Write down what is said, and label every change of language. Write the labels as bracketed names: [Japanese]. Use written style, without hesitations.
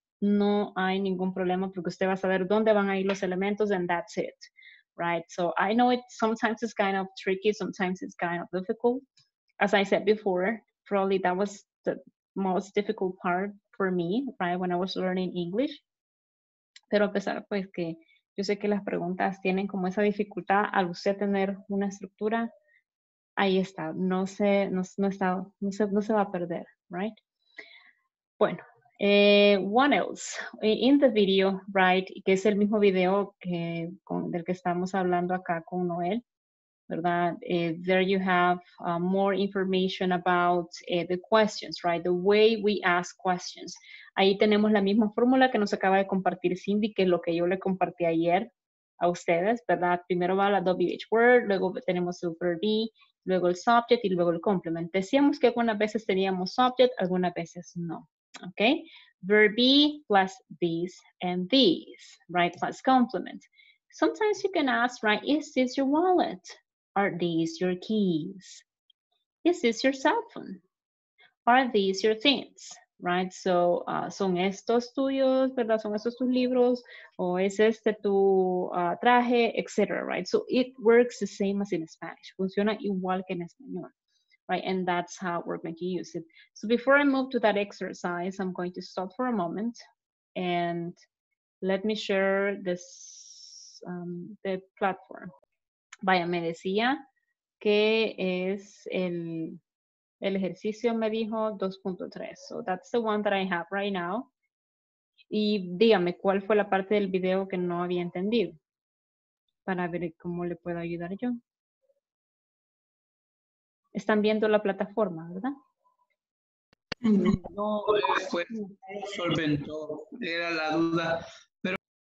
[Spanish] no hay ningún problema porque usted va a saber dónde van a ir los elementos [English] and that's it, right? So I know it sometimes it's kind of tricky, sometimes it's kind of difficult. As I said before, probably that was the most difficult part for me, right, when I was learning English. [Spanish] Pero a pesar pues que yo sé que las preguntas tienen como esa dificultad al usted tener una estructura, ahí está, no se va a perder, right? Bueno, [English] what else? In the video, right, [Spanish] que es el mismo video que del que estamos hablando acá con Noel, ¿verdad? [English] There you have more information about the questions, right? The way we ask questions. [Spanish] Ahí tenemos la misma fórmula que nos acaba de compartir Cindy, que es lo que yo le compartí ayer a ustedes, ¿verdad? Primero va la WH word, luego tenemos el verb, luego el subject y luego el complement. Decíamos que algunas veces teníamos subject, algunas veces no. [English] Okay, verb plus these and these, right, plus complement. Sometimes you can ask, right, is this your wallet? Are these your keys? Is this your cell phone? Are these your things, right? So, [Spanish] son estos tuyos, ¿verdad? Son estos tus libros, o es este tu traje, etc., right? [English] So, it works the same as in Spanish. [Spanish] Funciona igual que en español. [English] Right, and that's how we're going to use it. So before I move to that exercise, I'm going to stop for a moment and let me share this the platform. [Spanish] Vaya, me decía que es el ejercicio, me dijo 2.3. [English] So that's the one that I have right now. [Spanish] Y dígame, ¿cuál fue la parte del video que no había entendido? Para ver cómo le puedo ayudar yo. Están viendo la plataforma, ¿verdad? No, fue solventó, era la duda, pero...